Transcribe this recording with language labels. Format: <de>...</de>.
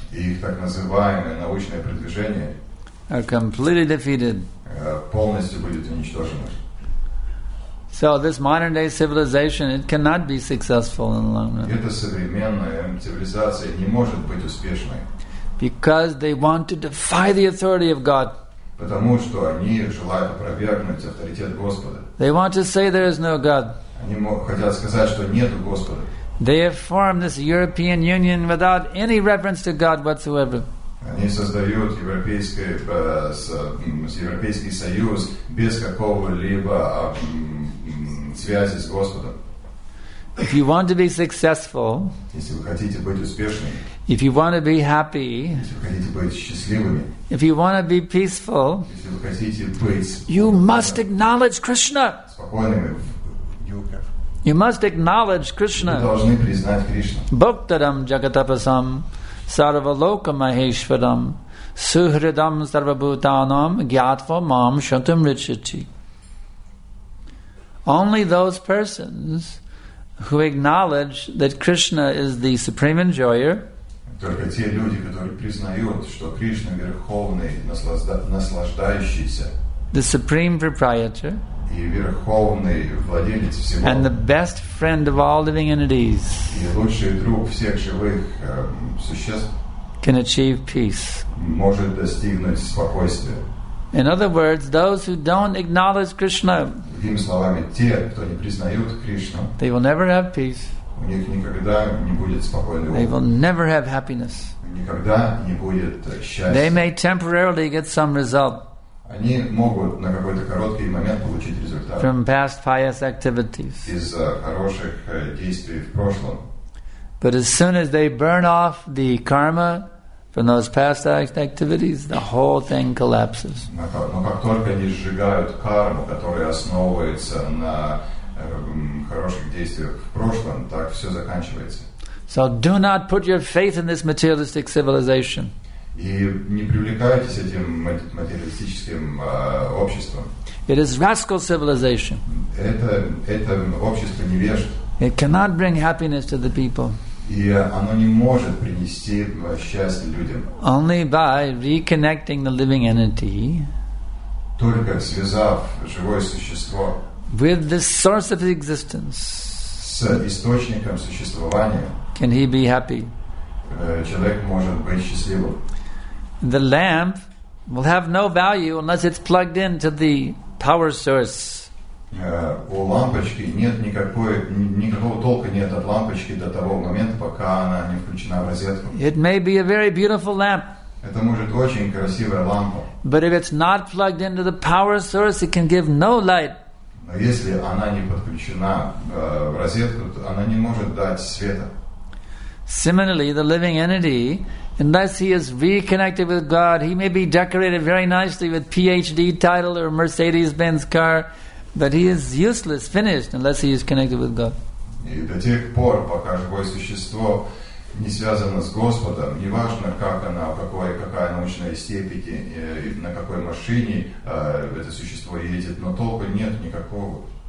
<ru>Их так называемое научное продвижение.</ru> <en>Are completely defeated.</en> <ru>Полностью будет уничтожено.</ru> <en>So this modern day civilization, it cannot be successful in the long run.</en> <ru>Эта современная цивилизация не может быть успешной.</ru> <en>Because they want to defy the authority of God.</en> <ru>Потому что они желают опровергнуть авторитет Господа.</ru> <en>They want to say there is no God.</en> <ru>Они хотят сказать, что нету Господа.</ru> <en>They have formed this European Union without any reference to God whatsoever.</en> <ru>Они создают Европейский Союз без какого-либо связи с Господом.</ru> <en>If you want to be successful,</en> <ru>если вы хотите быть успешными,</ru> <en>if you want to be happy,</en> <ru>если вы хотите быть счастливыми,</ru> <en>if you want to be peaceful,</en> <ru>если вы хотите быть,</ru> <en>you must acknowledge Krishna.</en> <ru>Спокойными.</ru> <en>You must acknowledge Krishna.</en> <ru>Вы должны признать Кришну.</ru> <sa>Бхуктарам джагатапасам. Sarvaloka Maheshwaram Suhridam Sarvabhutanam Gyatva Mam Shantam Richati.</sa> <en>Only those persons who acknowledge that Krishna is the supreme enjoyer.</en> <ru>Только те люди, которые признают, что Кришна верховный наслаждающийся.</ru> <en>The supreme proprietor.</en> <ru>И верховный владелец всего.</ru> <en>And the best friend of all living entities.</en> <ru>И лучший друг всех живых существ.</ru> <en>Can achieve peace.</en> <ru>Может достигнуть спокойствия.</ru> <en>In other words, those who don't acknowledge Krishna.</en> <ru>Другими словами, те, кто не признают Кришну.</ru> <en>They will never have peace.</en> <ru>У них никогда не будет спокойного.</ru> <en>They will never have happiness.</en> <ru>Никогда не будет счастья.</ru> <en>They may temporarily get some result.</en> <ru>Они могут на какой-то короткий момент получить результат.</ru> <en>From past pious activities.</en> <ru>Из хороших действий в прошлом.</ru> <en>But as soon as they burn off the karma From those past activities, the whole thing collapses.</en> <ru>Как только они сжигают карму, которая основывается на хороших действиях в прошлом, так все заканчивается.</ru> <en>So do not put your faith in this materialistic civilization.</en> <ru>И не привлекайтесь этим материалистическим обществом.</ru> <en>It is rascal civilization.</en> <ru>Это общество невежд.</ru> <en>It cannot bring happiness to the people.</en> <ru>И оно не может принести счастье людям.</ru> <en>Only by reconnecting the living entity,</en> <ru>только связав живое существо</ru> <en>with the source of existence,</en> <ru>с источником существования,</ru> <en>can he be happy?</en> <ru>Человек может быть счастливым.</ru> <en>The lamp will have no value unless it's plugged into the power source.</en> <ru>У лампочки нет никакого толка нет от лампочки до того момента, пока она не включена в розетку.</ru> <en>It may be a very beautiful lamp.</en> <ru>Это может очень красивая лампа.</ru> <en>But if it's not plugged into the power source, it can give no light.</en> <ru>Но если она не подключена в розетку, то она не может дать света.</ru> <en>Similarly, the living entity, unless he is reconnected with God, he may be decorated very nicely with PhD title or Mercedes-Benz car, but he is useless, finished, unless he is connected with God.</en> <ru>И до тех пор, пока живое существо не связано с Господом, неважно, как она, какая научная степень, на какой машине это существо едет, но толку нет никакого.</ru>